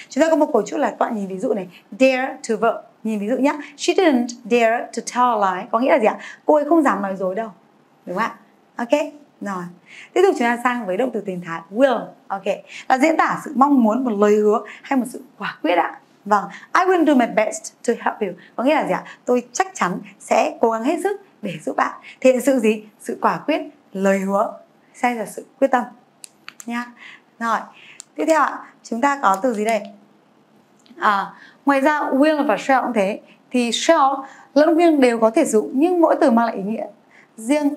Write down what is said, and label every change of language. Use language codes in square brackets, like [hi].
[vi] Chúng ta có một cấu trúc là các bạn nhìn ví dụ này. Dare to vợ. Nhìn ví dụ nhá. [en] She didn't dare to tell a lie. [vi] Có nghĩa là gì ạ? Cô ấy không dám nói dối đâu. Đúng không ạ? Ok. Rồi, tiếp tục chúng ta sang với động từ tiền thái will. Ok, là diễn tả sự mong muốn, một lời hứa hay một sự quả quyết ạ. Vâng, [en] I will do my best to help you. [vi] Có nghĩa là gì ạ? Tôi chắc chắn sẽ cố gắng hết sức để giúp bạn. Thì sự gì? Sự quả quyết, lời hứa, xem là sự quyết tâm nha. Rồi, tiếp theo ạ, chúng ta có từ gì đây? Ngoài ra will và shall cũng thế. Thì shall lẫn will đều có thể dùng, nhưng mỗi từ mang lại ý nghĩa riêng.